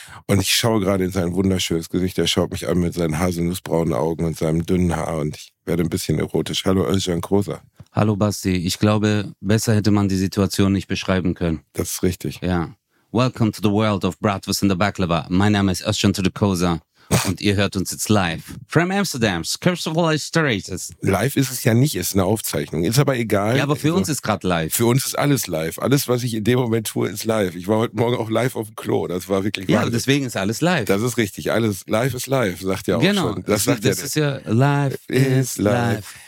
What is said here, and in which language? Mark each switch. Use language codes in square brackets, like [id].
[de] Und ich schaue gerade in sein wunderschönes Gesicht. Er schaut mich an mit seinen haselnussbraunen Augen und seinem dünnen Haar und ich werde ein bisschen erotisch. Hallo Özcan Kosa. Hallo Basti. Ich glaube, besser hätte man die Situation nicht beschreiben können. Das ist richtig. [en] Ja. Welcome to the world of Bratwurst and the Baklava. [de] Mein Name ist Özcan Kosa und ihr hört uns jetzt live. [en] From Amsterdam, Curse of All Stories. [de] Live ist es ja nicht, ist eine Aufzeichnung. Ist aber egal. Ja, aber für uns ist gerade live. Für uns ist alles live. Alles, was ich in dem Moment tue, ist live. Ich war heute Morgen auch live auf dem Klo. Das war wirklich live. Ja, wahnsinnig. Deswegen ist alles live. Das ist richtig. Alles live ist live, sagt ja auch genau. Schon. Genau. Das, sagt das ja ist ja [en] live is live.